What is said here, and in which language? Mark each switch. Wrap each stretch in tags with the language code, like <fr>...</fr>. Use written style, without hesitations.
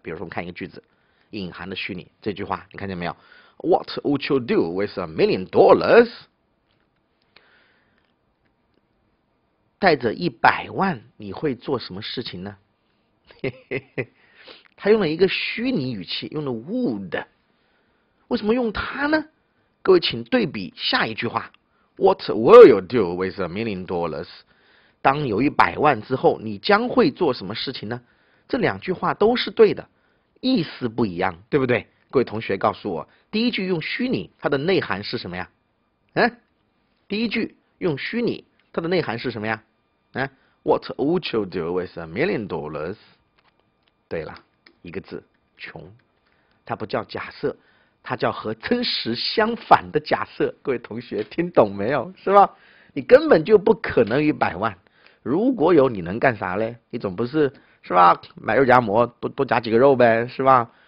<zh>比如说，我们看一个句子，隐含的虚拟这句话，你看见没有？</zh> <en>What would you do with $1 million？</en> <zh>带着100万，你会做什么事情呢？他用了一个虚拟语气，用了 would。为什么用它呢？各位，请对比下一句话：</zh> <en>What will you do with $1 million？</en> <zh>当有100万之后，你将会做什么事情呢？这两句话都是对的，意思不一样，对不对？各位同学，告诉我，第一句用虚拟，它的内涵是什么呀？第一句用虚拟，它的内涵是什么呀？</zh> <en>What would you do with $1 million？</en> <zh>对了，一个字，穷。它不叫假设，它叫和真实相反的假设。各位同学，听懂没有？是吧？你根本就不可能一百万。如果有，你能干啥嘞？你总不是，是吧？买肉夹馍，多夹几个肉呗，是吧？</zh>